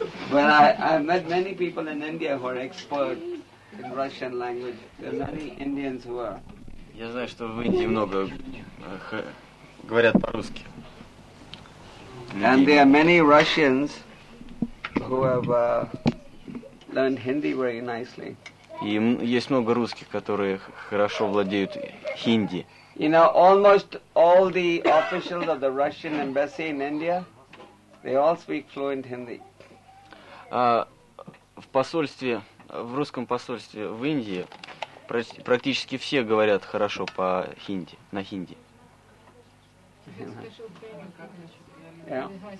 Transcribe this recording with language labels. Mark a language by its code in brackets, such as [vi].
[en] Well, I've met many people in India who are expert in Russian language. There are many Indians who are. [ru] Я знаю, что в Индии много говорят по-русски. [en] And there are many Russians who have learned Hindi very nicely. [ru] И есть много русских, которые хорошо владеют хинди. [en] You know, almost all the officials of the Russian embassy in India, they all speak fluent Hindi. [ru] В посольстве, в русском посольстве в Индии практически все говорят хорошо по хинди, на хинди. [en] Yeah.